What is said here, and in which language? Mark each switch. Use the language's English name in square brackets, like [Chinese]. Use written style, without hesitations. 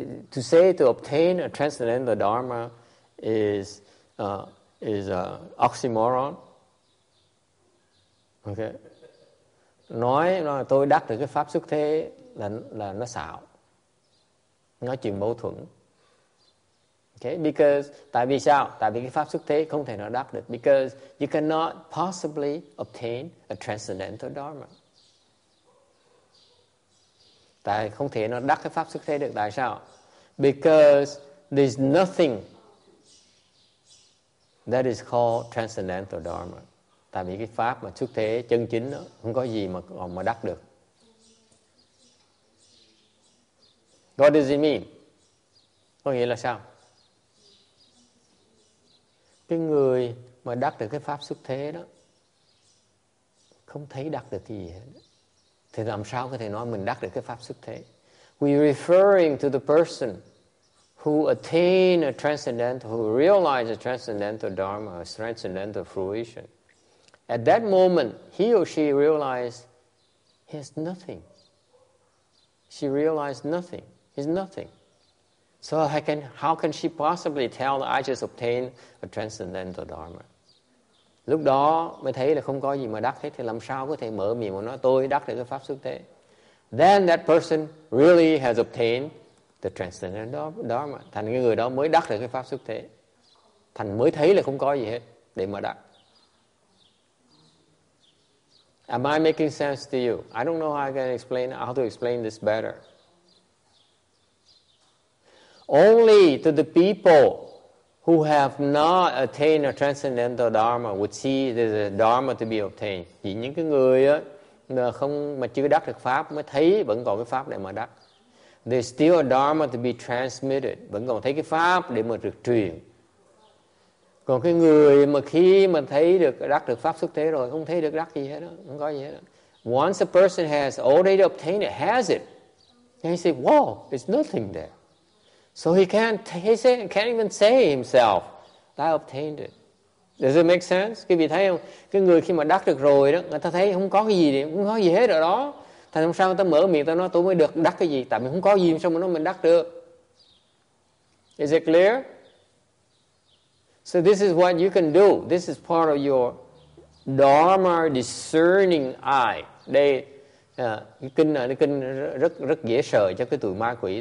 [English] To say to obtain a transcendental dharma is an oxymoron. [Vietnamese] Okay. Nói tôi đắc được cái pháp xuất thế là nó xạo. Nói chuyện mâu thuẫn. Okay, because tại vì sao? Tại vì cái pháp xuất thế không thể nào đắc được. [English] Because you cannot possibly obtain a transcendental dharma. [Vietnamese] Tại không thể nó đắc cái pháp xuất thế được. Tại sao? [English] Because there's nothing that is called transcendental dharma. [Vietnamese] Tại vì cái pháp mà xuất thế chân chính đó, không có gì mà đắc được. [English] What does it mean? [Vietnamese] Có nghĩa là sao? Cái người mà đắc được cái pháp xuất thế đó, không thấy đắc được cái gì hết. Thì làm sao có thể nói mình đắc được cái pháp xuất thế? [English] We referring to the person who attain a transcendental, who realize a transcendental dharma, a transcendental fruition. At that moment, he or she realized he has nothing. She realized nothing. He's nothing. So how can she possibly tell that I just obtained a transcendental dharma? [Vietnamese] Lúc đó mới thấy là không có gì mà đắc hết, thì làm sao có thể mở miệng mà nói tôi đắc được cái pháp xuất thế? [English] Then that person really has obtained the transcendental dharma. [Vietnamese] Thành cái người đó mới đắc được cái pháp xuất thế. Thành mới thấy là không có gì hết để mà đắc. [English] Am I making sense to you? I don't know how I can explain how to explain this better. Only to the people who have not attained a transcendental dharma would see there's a dharma to be obtained. [Vietnamese] Chỉ những cái người á không mà chưa đắc được pháp mới thấy vẫn còn cái pháp để mà đắc. [English] There's still a dharma to be transmitted. [Vietnamese] Vẫn còn thấy cái pháp để mà được truyền. Còn cái người mà khi mà thấy được đắc được pháp xuất thế rồi không thấy được đắc gì hết đó, không có gì hết đó. [English] Once a person has already obtained it, has it, then he says, "Whoa, it's nothing there." So he can't even say himself, "I obtained it." Does it make sense? [Vietnamese] Quý vị thấy không? Cái người khi mà đắc được rồi đó, người ta thấy không có cái gì đi, không có gì hết ở đó. Thành không sao người ta mở miệng, ta nói tôi mới được đắc cái gì, tại mình không có gì sao mà nó mình đắc được. [English] Is it clear? So this is what you can do. This is part of your dharma discerning eye. [Vietnamese] Đây, kinh rất rất dễ sợ cho cái tụi ma quỷ.